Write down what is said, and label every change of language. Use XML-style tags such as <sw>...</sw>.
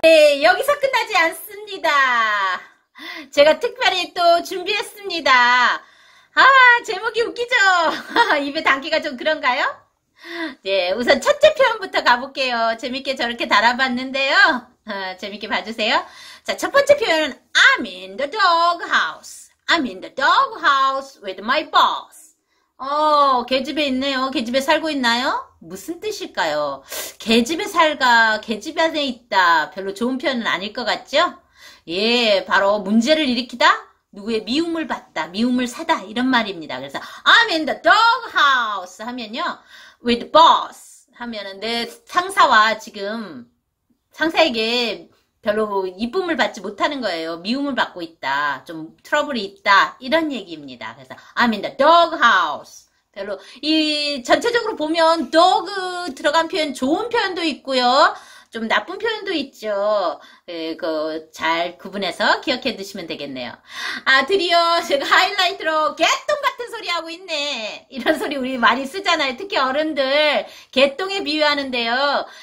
<ko>네, 여기서 끝나지 않습니다. 제가 특별히 또 준비했습니다. 제목이 웃기죠? 입에 담기가 좀 그런가요? 네, 우선 첫째 표현부터 가볼게요. 재밌게 저렇게 달아봤는데요. 재밌게 봐주세요. 자, 첫 번째 표현은</ko> <en>I'm in the dog house. I'm in the dog house with my boss.</en> <ko>개집에 있네요. 개집에 살고 있나요? 무슨 뜻일까요? 개집에 살가, 개집 안에 있다. 별로 좋은 표현은 아닐 것 같죠? 예, 바로 문제를 일으키다? 누구의 미움을 받다, 미움을 사다. 이런 말입니다. 그래서</ko> <en>I'm in the dog house</en> <ko>하면요.</ko> <en>With boss</en> <ko>하면은 내 상사와 지금 상사에게 별로 이쁨을 받지 못하는 거예요. 미움을 받고 있다. 좀 트러블이 있다. 이런 얘기입니다. 그래서</ko> <en>I'm in the doghouse.</en> <ko>별로 이 전체적으로 보면 dog 들어간 표현 좋은 표현도 있고요. 좀 나쁜 표현도 있죠. 예, 그잘 구분해서 기억해 두시면 되겠네요. 아, 드디어 제가 하이라이트로 개똥 같은 소리 하고 있네. 이런 소리 우리 많이 쓰잖아요. 특히 어른들 개똥에 비유하는데요.</ko>